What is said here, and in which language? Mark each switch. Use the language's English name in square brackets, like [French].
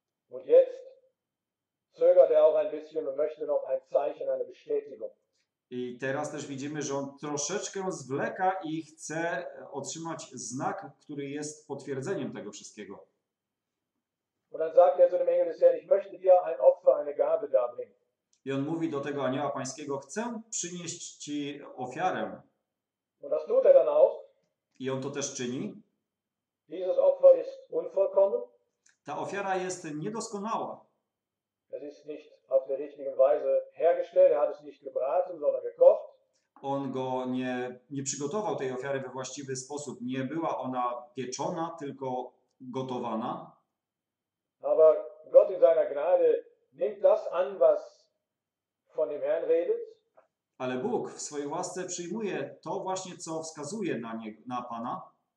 [German] Und jetzt zögert er auch ein bisschen und möchte noch ein Zeichen, eine Bestätigung. [Polish] I teraz też widzimy, że on troszeczkę zwleka i chce otrzymać znak, który jest potwierdzeniem tego wszystkiego. [German] Und dann sagt er zu dem Engel des Herrn, ich möchte dir ein Opfer, eine Gabe darbringen. [Polish] I on mówi do tego anioła pańskiego, chcę przynieść ci ofiarę. [German] Und das tut er dann auch. [Polish] I on to też czyni. [German] Dieses Opfer ist unvollkommen. [Polish] Ta ofiara jest niedoskonała. [German] Es ist nicht auf der richtigen Weise hergestellt. Er hat es nicht gebraten, sondern gekocht. [Polish] On go nie przygotował tej ofiary we właściwy sposób. Nie była ona pieczona, tylko gotowana. [German] Aber Gott in seiner Gnade nimmt das an, was von dem Herrn redet. [Polish] Ale Bóg w swojej łasce przyjmuje to właśnie, co wskazuje na niego, na Pana.